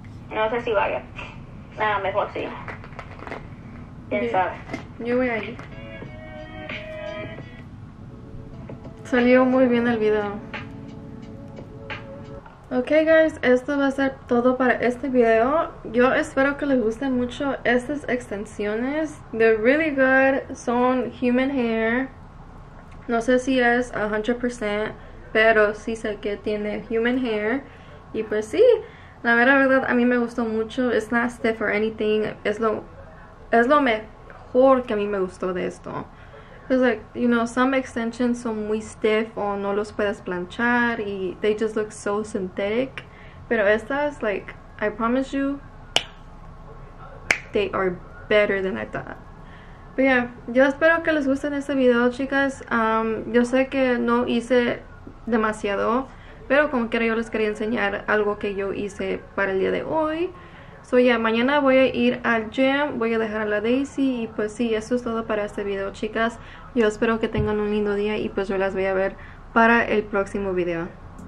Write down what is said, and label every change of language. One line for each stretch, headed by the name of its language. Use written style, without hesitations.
Spanish: No sé si vaya. Nada, mejor sí. ¿Quién bien sabe? Yo voy a ir. Salió muy bien el video. Ok guys, esto va a ser todo para este video. Yo espero que les gusten mucho estas extensiones.
English: They're really good,
Spanish: son
English: human hair.
Spanish: No sé si es 100%, pero sí sé que tiene human hair. Y pues sí, la verdad a mí me gustó mucho.
English: It's not stiff or anything.
Spanish: Es lo mejor que a mí me gustó de esto.
English: It's like, you know, some extensions
Spanish: son muy stiff o no los puedes planchar y
English: they just look so synthetic.
Spanish: Pero estas,
English: like, I promise you, they are better than I thought. But yeah,
Spanish: yo espero que les guste este video, chicas. Yo sé que no hice demasiado, pero como quiera yo les quería enseñar algo que yo hice para el día de hoy.
English: So yeah,
Spanish: mañana voy a ir al gym, voy a dejar a la Daisy y pues sí, eso es todo para este video, chicas. Yo espero que tengan un lindo día y pues yo las voy a ver para el próximo video. Bye.